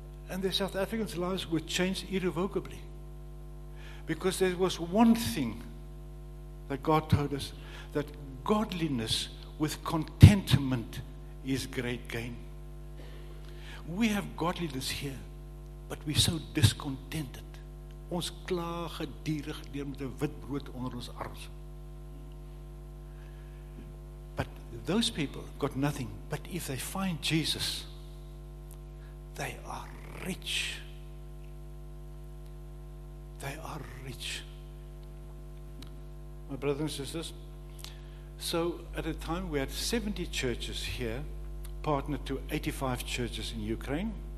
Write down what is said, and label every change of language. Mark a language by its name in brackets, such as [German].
[English] And the South Africans' lives were changed irrevocably. Because there was one thing that God told us, that godliness with contentment is great gain. We have godliness here, but we're so discontented. [Afrikaans] Ons kla gedurig deur met 'n wit brood onder ons arms. [English] But those people got nothing. But if they find Jesus, they are rich. They are rich. My brothers and sisters, so at a time we had 70 churches here, partnered to 85 churches in Ukraine.